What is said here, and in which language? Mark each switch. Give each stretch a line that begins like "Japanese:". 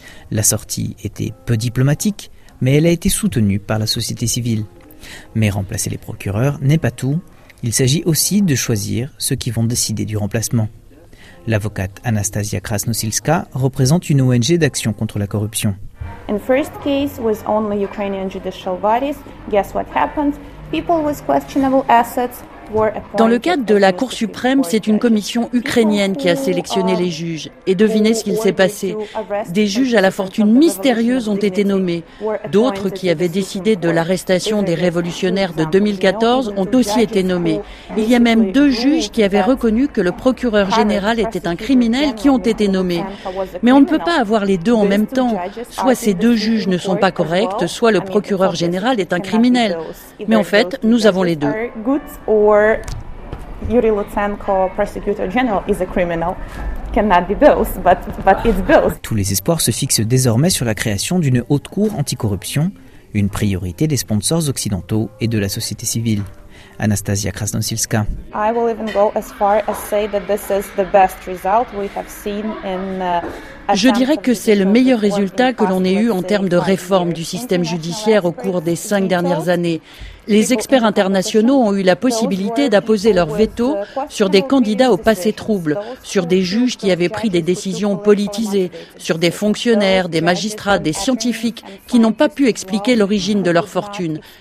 French: La sortie était peu diplomatique, mais elle a été soutenue par la société civile. Mais remplacer les procureurs n'est pas tout. Il s'agit aussi de choisir ceux qui vont décider du remplacement. L'avocate Anastasia Krasnosilska représente une ONG d'action contre la corruption.
English: In first case was only Ukrainian judicial bodies. Guess what happened? People with questionable assets.
French: Dans le cadre de la Cour suprême, c'est une commission ukrainienne qui a sélectionné les juges. Et devinez ce qu'il s'est passé. Des juges à la fortune mystérieuse ont été nommés. D'autres qui avaient décidé de l'arrestation des révolutionnaires de 2014 ont aussi été nommés. Il y a même deux juges qui avaient reconnu que le procureur général était un criminel qui ont été nommés. Mais on ne peut pas avoir les deux en même temps. Soit ces deux juges ne sont pas corrects, soit le procureur général est un criminel. Mais en fait, nous avons les deux.
English: Or Yuri Lutsenko, prosecutor general, is a criminal. Cannot be both, but it's both.
French: Tous les espoirs se fixent désormais sur la création d'une haute cour anticorruption, une priorité des sponsors occidentaux et de la société civile. Anastasia Krasnosilska.
English: I will even go as far as say that this is the best result we have seen in.
French: Je dirais que c'est le meilleur résultat que l'on ait eu en termes de réforme du système judiciaire au cours des 5 dernières années. Les experts internationaux ont eu la possibilité d'apposer leur veto sur des candidats au passé trouble, sur des juges qui avaient pris des décisions politisées, sur des fonctionnaires, des magistrats, des scientifiques qui n'ont pas pu expliquer l'origine de leur fortune.